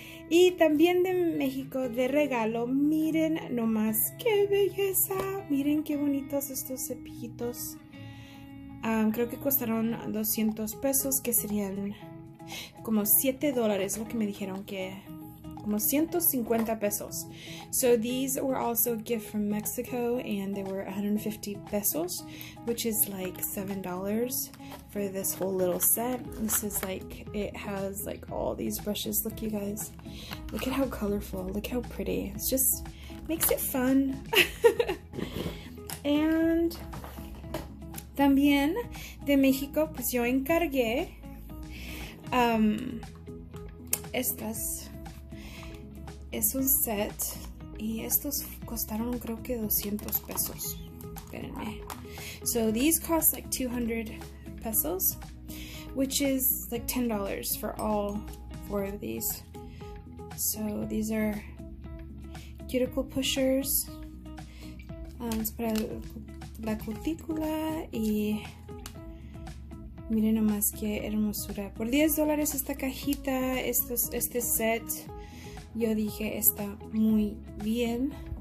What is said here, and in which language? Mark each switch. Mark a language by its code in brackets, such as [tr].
[es] Y también de México, de regalo, miren nomás qué belleza. Miren qué bonitos estos cepillitos. Creo que costaron 200 pesos, que serían como $7, lo que me dijeron que... como 150 pesos. [en] So these were also a gift from Mexico, and they were 150 pesos, which is like $7 for this whole little set. This is like, it has like all these brushes. Look, you guys, look at how colorful, look how pretty. It's just makes it fun. [es] And también de México, pues yo encargué estas. Es un set y estos costaron creo que 200 pesos. Espérenme. [en] So these cost like 200 pesos, which is like $10 for all four of these. So these are [es] cuticle pushers, es para la cutícula y miren nomás qué hermosura. Por $10 esta cajita, este set, yo dije está muy bien.